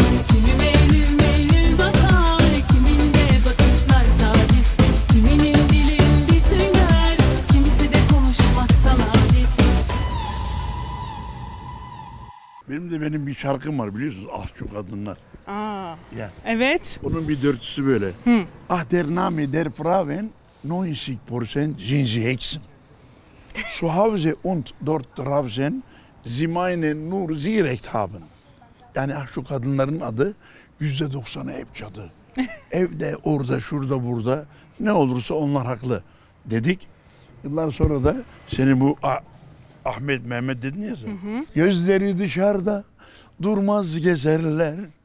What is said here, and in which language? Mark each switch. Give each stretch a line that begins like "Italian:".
Turkish: Kimi mevlül mevlül bakar, kimin de bakışlar taciz. Kiminin dilin bitirler, kimisi de konuşmaktan aciz. Benim bir şarkım var biliyorsunuz, Ah Çok Kadınlar. Aa, yani. Evet. Onun bir dörtüsü böyle.
German: Ah der name der Frauen, 90% sind sie Hexen. Zu Hause und dort draußen, sie meinen nur sie recht haben.
Turkish: Yani ah şu kadınların adı %90'ı hep cadı. Evde, orada, şurada, burada ne olursa onlar haklı dedik. Yıllar sonra da seni bu Ahmet Mehmet dedin ya sen. Gözleri dışarıda durmaz gezerler.